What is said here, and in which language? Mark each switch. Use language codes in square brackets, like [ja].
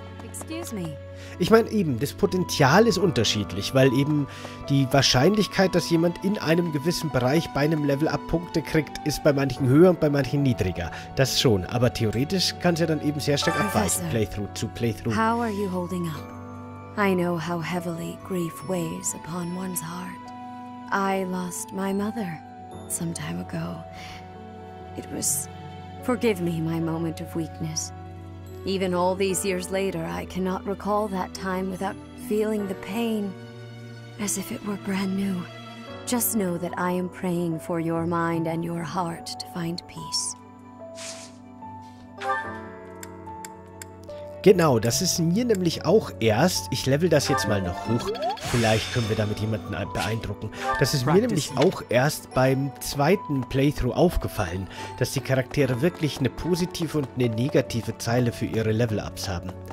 [en] Excuse me. [de] Ich meine eben, das Potenzial ist unterschiedlich, weil eben die Wahrscheinlichkeit, dass jemand in einem gewissen Bereich bei einem Level-Up Punkte kriegt, ist bei manchen höher und bei manchen niedriger. Das schon, aber theoretisch kann es ja dann eben sehr stark abweichen, Playthrough zu Playthrough. [en] How are you holding up? I know how heavily grief weighs upon one's heart. I lost my mother some time ago. It was... Forgive me my moment of weakness. Even all these years later, I cannot recall that time without feeling the pain, as if it were brand new. Just know that I am praying for your mind and your heart to find peace. [de] Genau, das ist mir nämlich auch erst, ich level das jetzt mal noch hoch, vielleicht können wir damit jemanden beeindrucken. Das ist mir nämlich auch erst beim zweiten Playthrough aufgefallen, dass die Charaktere wirklich eine positive und eine negative Zeile für ihre Level-Ups haben.